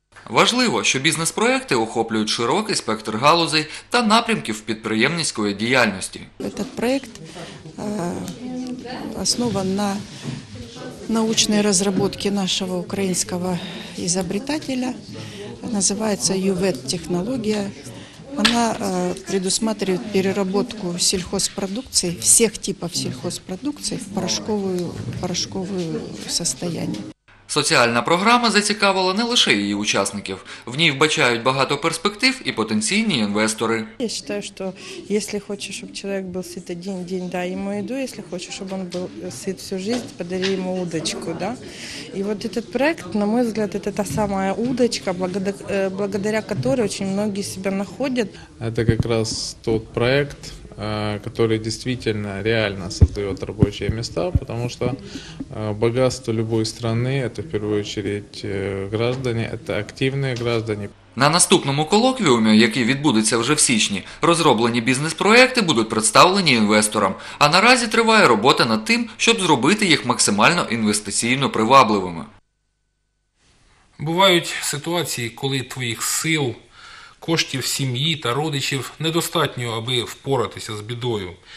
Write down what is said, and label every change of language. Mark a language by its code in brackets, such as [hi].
[uk] Важливо, що бізнес-проекти охоплюють широкий спектр галузей та напрямків підприємницької діяльності. Цей проєкт оснований на научній розробці нашого українського ізобретателя. Називається ЮВЕД-технологія. [ru] Вона предусматривает переработку сельхозпродукции, всех типов сельхозпродукции в порошковое состояние. [uk] Соціальна програма зацікавила не лише її учасників. В ній вбачають багато перспектив і потенційні інвестори. Я вважаю, що якщо хочеш, щоб чоловік був сит один день, дай йому їду. Якщо хочеш, щоб він був сит всю життя, подари йому удочку. Да? І от цей проєкт, на мій взгляд, це та сама удочка, [ru] благодаря которой [uk] дуже багато себе знаходять. Це якраз той проєкт, [ru] который действительно реально создает рабочие места, потому что богатство любой страны – это в первую очередь граждане, это активные граждане. [uk] На наступному колоквіумі, який відбудеться вже в січні, розроблені бізнес-проекти будуть представлені інвесторам. А наразі триває робота над тим, щоб зробити їх максимально інвестиційно привабливими. Бувають ситуації, коли твоїх сил, коштів сім'ї та родичів недостатньо, аби впоратися з бідою.